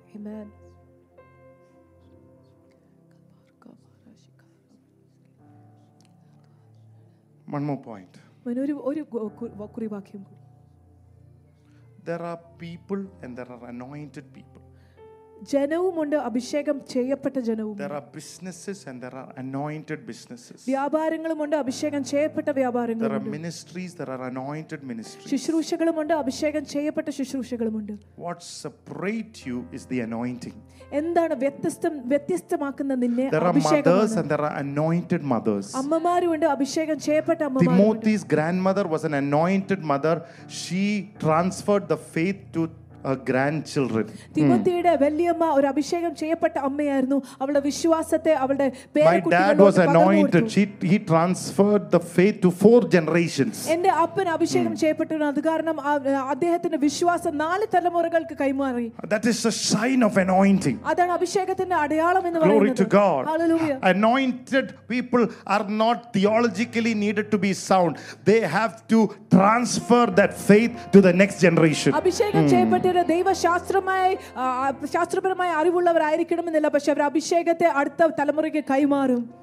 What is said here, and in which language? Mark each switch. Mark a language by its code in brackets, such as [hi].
[en] Amen. One more point. There are people and there are anointed people. [ml] ജനവും ഉണ്ട്, അഭിഷേകം ചെയ്യപ്പെട്ട ജനവും. [en] There are businesses and there are anointed businesses. [ml] വ്യാപാരങ്ങളും ഉണ്ട്, അഭിഷേകം ചെയ്യപ്പെട്ട വ്യാപാരങ്ങളും. [en] There are ministries, there are anointed ministries. [ml] ശുശ്രൂഷകളും ഉണ്ട്, അഭിഷേകം ചെയ്യപ്പെട്ട ശുശ്രൂഷകളും ഉണ്ട്. [en] What separates you is the anointing. [ml] എന്താണ് വ്യത്യസ്തമാക്കുന്ന നിന്നെ? [en] There are mothers and there are anointed mothers. [ml] അമ്മമാരുണ്ട്, അഭിഷേകം ചെയ്യപ്പെട്ട അമ്മമാരുണ്ട്. [en] Timothy's grandmother was an anointed mother. She transferred the faith to her grandchildren. [ml] തിമോത്തിയുടെ വലിയമ്മ ഒരു അഭിഷേകം ചെയ്യപ്പെട്ട അമ്മയായിരുന്നു. അവളുടെ വിശ്വാസത്തെ അവളുടെ പേരക്കുട്ടികളിലേക്ക് പകർന്നു. [en] My dad was anointed. He transferred the faith to 4 generations. [ml] എന്റെ അപ്പൻ അഭിഷേകം ചെയ്യപ്പെട്ടു. അതുകാരണം അദ്ദേഹത്തിന്റെ വിശ്വാസം 4 തലമുറകൾക്ക് കൈമാറി. [en] That is a sign of anointing. [ml] അതാണ് അഭിഷേകത്തിന്റെ അടയാളം എന്ന് പറയുന്നത്. [en] Glory to God. Hallelujah. Anointed people are not theologically needed to be sound. They have to transfer that faith to the next generation. [ml] അഭിഷേകം ദൈവശാസ്ത്രപരമായ അറിവുള്ളവർ ആയിരിക്കണമെന്നില്ല, പക്ഷെ അവർ അഭിഷേകത്തെ അടുത്ത തലമുറയ്ക്ക് കൈമാറും.